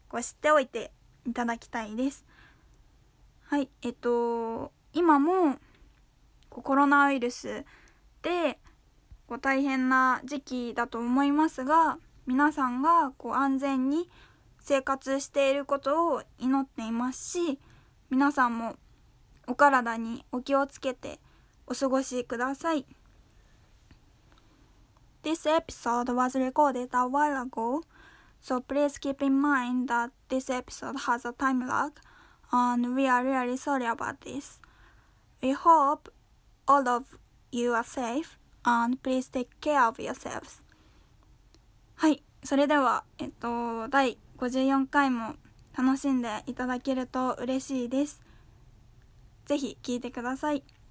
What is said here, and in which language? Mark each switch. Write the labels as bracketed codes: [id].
[ja] こう知っておいていただきたいです。はい、今もコロナウイルスで大変な時期だと思いますが、皆さんがこう安全に生活していることを祈っていますし、皆さんもお体にお気をつけてお過ごしください。 [en] This episode was recorded a while ago, so please keep in mind that this episode has a time lag and we are really sorry about this. We hope all of you are safe and please take care of yourselves. [ja] はい、それでは第54回も楽しんでいただけると嬉しいです。ぜひ聞いてください。